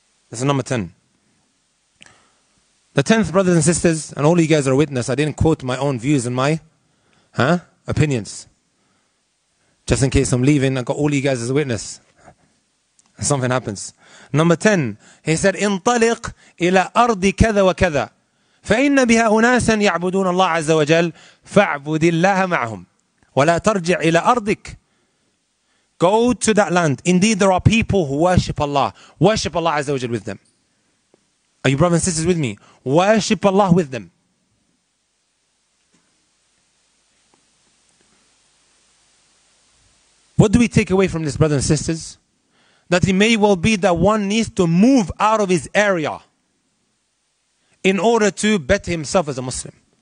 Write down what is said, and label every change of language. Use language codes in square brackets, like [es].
[en] This is number 10. The 10th, brothers and sisters, and all you guys are witness, I didn't quote my own views and my opinions. Just in case I'm leaving, I got all you guys as a witness. Something happens. Number 10, he said, [ar] انطلق إلى أرض كذا وكذا فإن بها أناسا يعبدون الله عز وجل فاعبد الله معهم ولا ترجع إلى أرضك. [en] Go to that land. Indeed, there are people who worship Allah. Worship Allah Azza wa Jal with them. Are you brothers and sisters with me? Worship Allah with them. What do we take away from this, brothers and sisters? That it may well be that one needs to move out of his area in order to better himself as a Muslim.